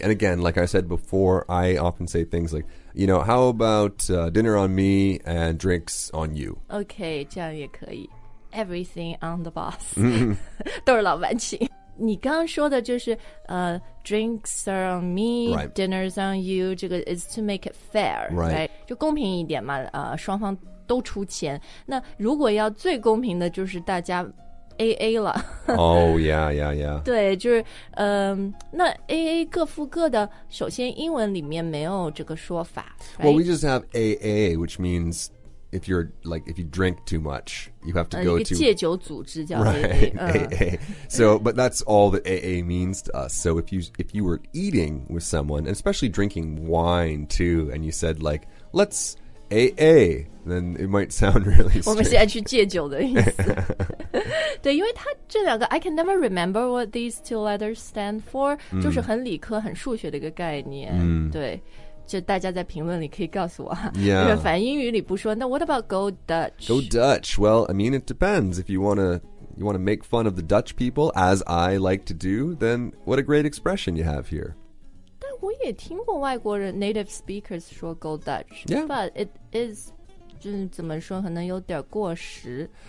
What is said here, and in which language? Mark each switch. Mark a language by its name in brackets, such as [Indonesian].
[English] And again, like I said before, I often say things like, you know, how about、dinner on me and drinks on you? [Chinese] Okay, 这样也可以。 [English] Everything on the boss. [Chinese] 都是老板请。你刚刚说的就是、 [English] drinks are on me,、 right. dinner's on you, [Chinese] 这个 [English] is to make it fair, right? right? [Chinese] 就公平一点嘛、双方都出钱。那如果要最公平的就是大家 AA 了。 [English] Oh, yeah, yeah, yeah. [Chinese] 对就是、那 AA 各付各的首先英文里面没有这个说法。 [English] Right? Well, we just have AA, which means... If you're like, if you drink too much, you have to go to [Chinese] 戒酒组织叫 AA, [English] right, AA. So, but that's all that AA means to us. So if you were eating with someone, especially drinking wine too, and you said like, let's AA, then it might sound really strange. [Chinese] 我们现在去戒酒的意思。对，因为它这两个 [English] I can never remember what these two letters stand for,、mm. [Chinese] 就是很理科很数学的一个概念、 mm. 对。就大家在评论里可以告诉我、 [English] yeah. [Chinese] 因为反正英语里不说那 [English] what about go Dutch go Dutch well I mean it depends if you want to make fun of the Dutch people as I like to do then what a great expression you have here [Chinese] 但我也听过外国人 native speakers 说 go Dutch [English] yeah but it is [Chinese] 就是怎么说可能有点过时